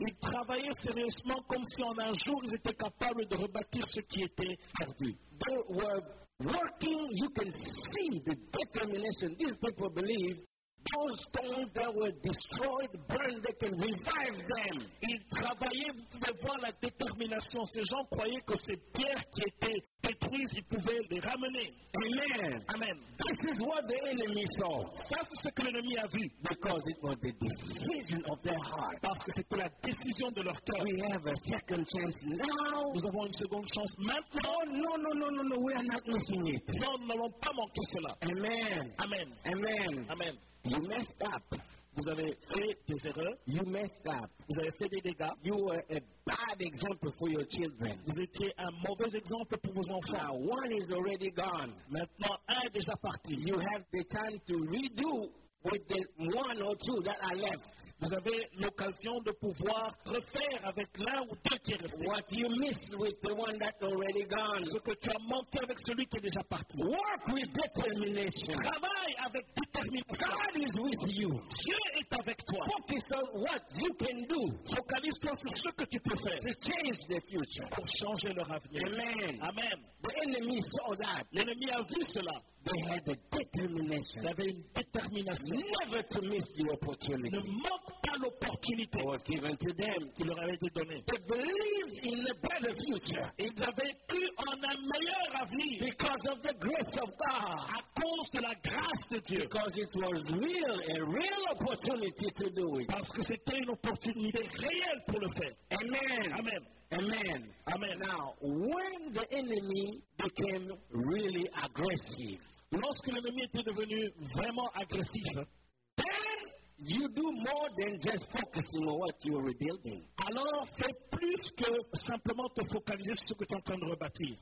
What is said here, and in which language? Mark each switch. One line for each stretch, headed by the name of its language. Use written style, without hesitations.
French: Ils travaillaient sérieusement comme si en un jour ils étaient capables de rebâtir ce qui était.
English: They were working. You can see the determination. These people believe those stones that were destroyed, burned, they can revive them.
French: Ils travaillaient, vous pouvez voir la détermination. Ces gens croyaient que ces pierres qui étaient détruites, ils pouvaient les ramener.
English: Amen.
French: Amen.
English: This is what the enemy saw.
French: Ça, c'est ce que l'ennemi a vu.
English: Because it was the decision of their heart.
French: Parce que c'était la décision de leur cœur.
English: We have a second chance now.
French: Nous avons une seconde chance maintenant.
English: No, we are not missing it.
French: Non, nous n'allons pas manquer cela.
English: Amen.
French: Amen.
English: Amen.
French: Amen.
English: You messed up.
French: Vous avez fait des erreurs.
English: You messed up.
French: Vous avez fait des dégâts.
English: You were a bad example for your children.
French: Vous étiez un mauvais exemple pour vos enfants.
English: Now one is already gone.
French: Maintenant, un est déjà parti.
English: You have the time to redo with the one or two that are left.
French: Vous avez l'occasion de pouvoir refaire avec l'un ou deux qui est resté.
English: What you missed with the one that already gone.
French: Ce que tu as manqué avec celui qui est déjà parti.
English: Work with determination.
French: Travaille avec détermination.
English: God is with you.
French: Dieu est avec toi.
English: Focus on what you can do.
French: Focalise-toi sur ce que tu peux faire.
English: To change the future.
French: Pour changer leur avenir.
English: Amen.
French: Amen.
English: The enemy saw that.
French: L'ennemi a vu cela.
English: They had a determination.
French: Ils avaient une détermination.
English: Never to miss the opportunity.
French: Ne manque pas l'opportunité.
English: Was given to them.
French: Qui leur avait été donnée.
English: They believed in a better future.
French: Ils avaient cru en un meilleur avenir.
English: Because of the grace of God.
French: À cause de la grâce de Dieu.
English: Because it was real, a real opportunity to do it.
French: Parce que c'était une opportunité réelle pour le faire.
English: Amen.
French: Amen.
English: Amen.
French: Amen.
English: Now, when the enemy became really aggressive,
French: lorsque l'ennemi était devenu vraiment agressif,
English: then you do more than just focusing on what you're rebuilding.
French: Alors, fais plus que simplement te focaliser sur ce que tu es en train de rebâtir.